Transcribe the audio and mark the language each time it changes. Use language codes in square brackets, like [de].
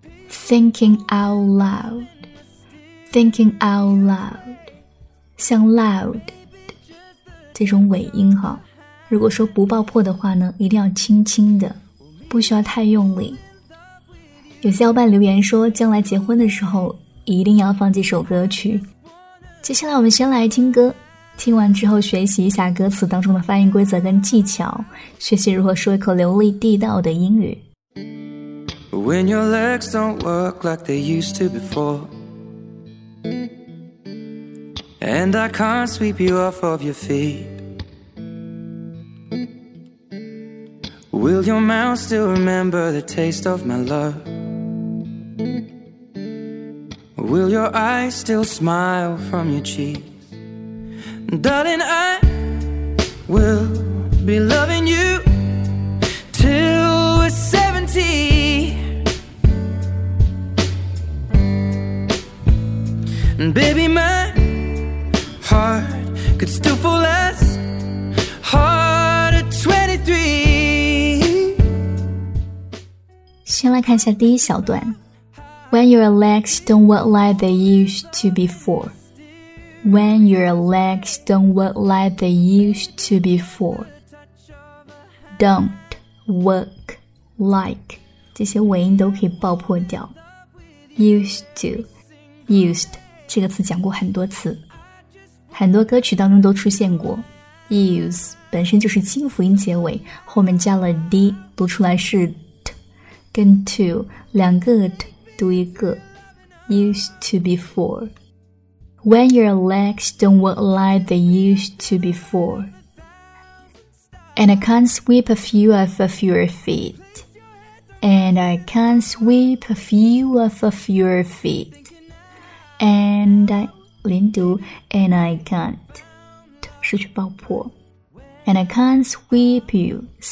[zh] Thinking Out Loud Thinking Out Loud 像 loud 这种尾音哈，如果说不爆破的话呢，一定要轻轻的，不需要太用力。有小伙伴留言说，将来结婚的时候一定要放这首歌曲。接下来我们先来听歌，听完之后学习一下歌词当中的发音规则跟技巧，学习如何说一口流利地道的英语。 [en] When your legs don't work like they used to before, and I can't sweep you off of your feetWill your mouth still remember the taste of my love? Will your eyes still smile from your cheeks? Darling, I will be loving you till we're 70. Baby, my heart could still fall as hard at 23. [zh] 先来看一下第一小段。 [en] When your legs don't work like they used to before. When your legs don't work like they used to before. Don't work like. [zh] 这些尾音都可以爆破掉。 [en] Used to. [zh] Used 这个词讲过很多次，很多歌曲当中都出现过。 Use 本身就是清辅音结尾，后面加了 D， 读出来是跟 to 两个 t 读一个 [en] used to before. When your legs don't work like they used to before, and I can't sweep a few off of your feet, and I can't sweep a few off of your feet, and I [zh] 连读 [en] and I can't [zh] 失去爆破 [en] and I can't sweep you.